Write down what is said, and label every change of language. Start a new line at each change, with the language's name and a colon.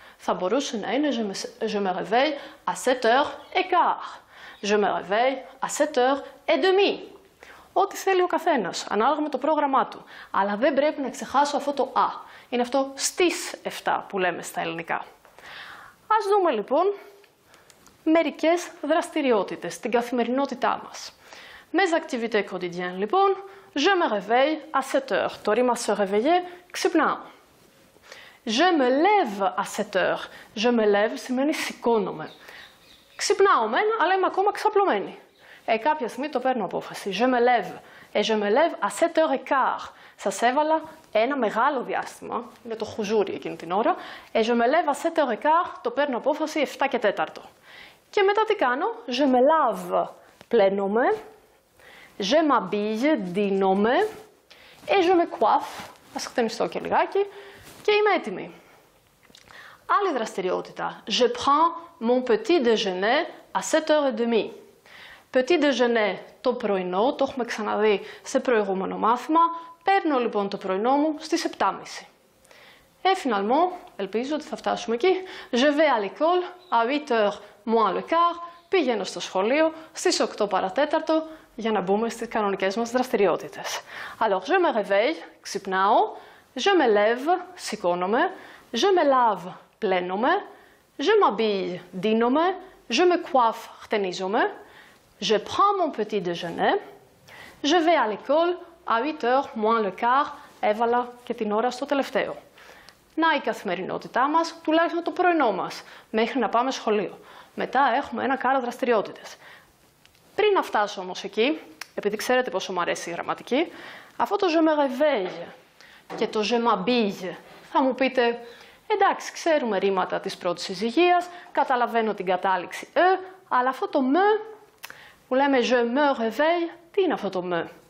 French: Θα μπορούσε να είναι je me réveille à 7 heures et quart. Je me réveille à 7 heures et demi.
Greek: Ό,τι θέλει ο καθένας, ανάλογα με το πρόγραμμά του. Αλλά δεν πρέπει να ξεχάσω αυτό το «α». Είναι αυτό «στις 7» που λέμε στα ελληνικά. Ας δούμε λοιπόν μερικές δραστηριότητες στην καθημερινότητά μας.
French: Mes activités quotidiennes, λοιπόn, je me réveille à 7 heures.
Greek: Το ρήμα «se réveiller», ξυπνάω.
French: Je me lève à 7 heures. Je me lève
Greek: σημαίνει «σηκώνομαι». Ξυπνάω μεν, αλλά είμαι ακόμα ξαπλωμένη. Κάποια στιγμή το παίρνω απόφαση.
French: Je me lève. Et je me lève à 7 heures et quart.
Greek: Σας έβαλα ένα μεγάλο διάστημα. Είναι το χουζούρι εκείνη την ώρα.
French: Et je me lève à 7 heures et quart.
Greek: Το παίρνω απόφαση 7 και 4. Και μετά τι κάνω.
French: Je me lave.
Greek: Πλένομαι.
French: Je m'habille.
Greek: Δίνομαι.
French: Et je me coiffe.
Greek: Ας χτενιστώ και λιγάκι. Και είμαι έτοιμη. Άλλη δραστηριότητα.
French: Je prends mon petit déjeuner à 7 heures et demi.
Greek: Petit déjeuner, το πρωινό, το έχουμε ξαναδεί σε προηγούμενο μάθημα. Παίρνω λοιπόν το πρωινό μου στις 7.30.
French: Et finalement,
Greek: ελπίζω ότι θα φτάσουμε εκεί.
French: Je vais à l'école à 8 heures moins le quart,
Greek: πηγαίνω στο σχολείο στις 8 παρατέταρτο για να μπούμε στις κανονικές μας δραστηριότητες.
French: Alors, je me réveille, ξυπνάω, je me lève, σηκώνομαι, je me lave, πλένομαι, je m'habille, ντύνομαι, je me coiffe, χτενίζομαι, je prends mon petit déjeuner, je vais à l'école à 8h moins le quart,
Greek: έβαλα και την ώρα στο τελευταίο. Να η καθημερινότητά μας, τουλάχιστον το πρωινό μας, μέχρι να πάμε σχολείο. Μετά έχουμε ένα κάρο δραστηριότητες. Πριν να φτάσω όμως εκεί, επειδή ξέρετε πόσο μου αρέσει η γραμματική, αυτό το
French: «je me réveille»
Greek: και το
French: «je m'habille»
Greek: θα μου πείτε, εντάξει, ξέρουμε ρήματα της πρώτης συζυγίας, καταλαβαίνω την κατάληξη «e», αλλά αυτό το «me» που λέμε «je me réveille», τι είναι αυτό το «me»?